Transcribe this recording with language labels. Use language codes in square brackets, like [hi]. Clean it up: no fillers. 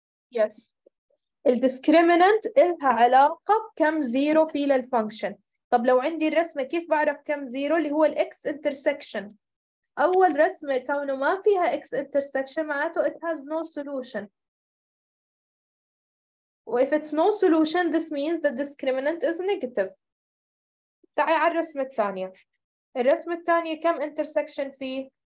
[en] Yes. [ar] الdiscriminant إلها علاقة بكم zero في للfunction. طب لو عندي الرسمة كيف بعرف كم zero اللي هو الx intersection؟ أول رسمة كونه ما فيها x intersection معناته [en] it has no solution. وif it's no solution, this means the discriminant is negative. [ar] تعي على الرسمة الثانية. الرسمة الثانية كم intersection فيه؟